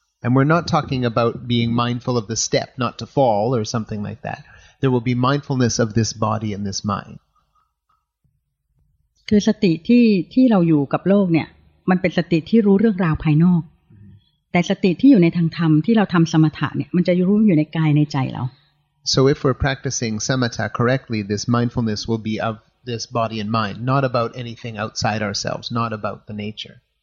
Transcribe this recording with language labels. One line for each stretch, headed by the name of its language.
English: And we're not talking about being mindful of the step, not to fall or something like that. There will be mindfulness of this body and this mind.
Thai: คือสติที่เราอยู่กับโลกเนี่ยมันเป็นสติที่รู้เรื่องราวภายนอกแต่สติที่อยู่ในทางธรรมที่เราทำสมถะเนี่ยมันจะรู้อยู่ในกายในใจเรา
English: So if we're practicing samatha correctly, this mindfulness will be of this body and mind, not about anything outside ourselves, not about the nature.